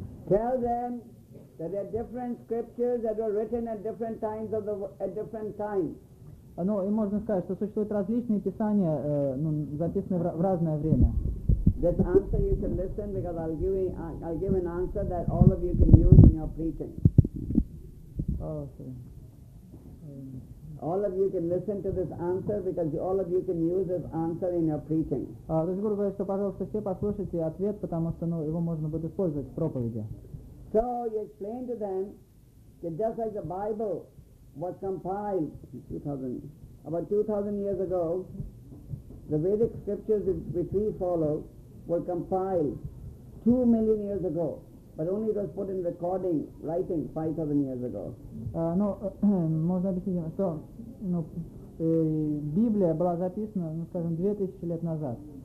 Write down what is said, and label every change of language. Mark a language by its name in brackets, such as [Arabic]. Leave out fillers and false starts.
[English] Tell them that there are different scriptures that were written at different times of the at different times. [Russian] Ну, и можно сказать, что существуют различные писания, ну, записанные в разное время. [English] This answer you can listen because I'll give an answer that all of you can use in your preaching. Oh, okay. All of you can listen to this answer because all of you can use this answer in your preaching. [Russian] То есть Гуру говорит, что, пожалуйста, все послушайте ответ, потому что, ну, его можно будет использовать в проповеди. [English] So you explain to them that just like the Bible was compiled about 2000 years ago, the Vedic scriptures which we follow were compiled 2 million years ago, but only it was put in recording, writing 5000 years ago. [Russian] Ну, можно объяснить, что, ну, Библия была записана, ну, скажем, 2000 лет назад.